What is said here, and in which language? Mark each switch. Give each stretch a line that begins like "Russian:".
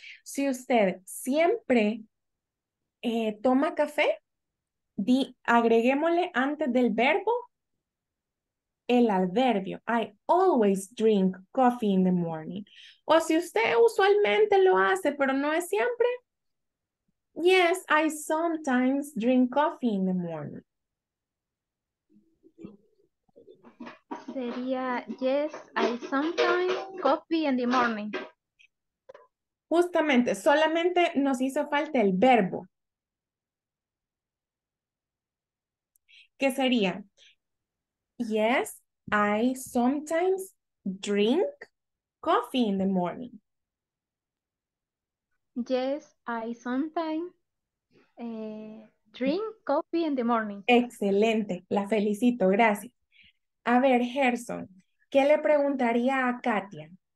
Spanish: Si usted siempre toma café, agreguémosle antes del verbo el adverbio.
English: I always drink coffee in the morning.
Spanish: O si usted usualmente lo hace, pero no es siempre.
English: Yes, I sometimes drink coffee in the morning.
Spanish: Sería,
English: yes, I sometimes coffee in the morning.
Spanish: Justamente, solamente nos hizo falta el verbo. ¿Qué sería?
English: Yes, I sometimes drink coffee in the morning. Yes, I sometimes drink coffee in the morning.
Spanish: Excelente, la felicito, gracias. A ver, Gerson, ¿qué le preguntaría a Katia?